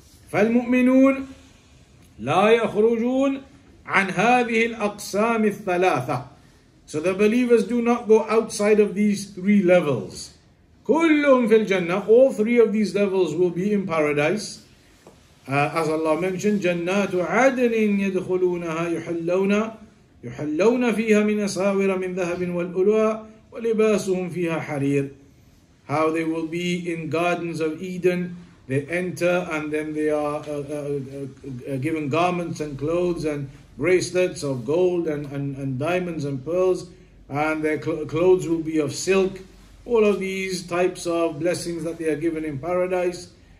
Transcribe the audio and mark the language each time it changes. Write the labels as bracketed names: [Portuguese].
[Arabic] فَالْمُؤْمِنُونَ لَا يَخْرُجُونَ عَنْ هَذِهِ الْأَقْسَامِ الثَّلَاثَةِ [English] So the believers do not go outside of these three levels. [Arabic] كُلُّهُمْ فِي الْجَنَّةِ [English] All three of these levels will be in paradise. As Allah mentioned, [Arabic] جَنَّاتُ عَدْنٍ يَدْخُلُونَهَا يُحَلَّوْنَ فِيهَا مِنْ أَسَاوِرَ مِنْ ذَهَبٍ وَالْأُلُوَى وَلِبَاسُهُمْ فِيهَا حَرِيرٌ [English] How they will be in gardens of Eden. They enter and then they are given garments and clothes and bracelets of gold and diamonds and pearls. And their clothes will be of silk. All of these types of blessings that they are given in paradise.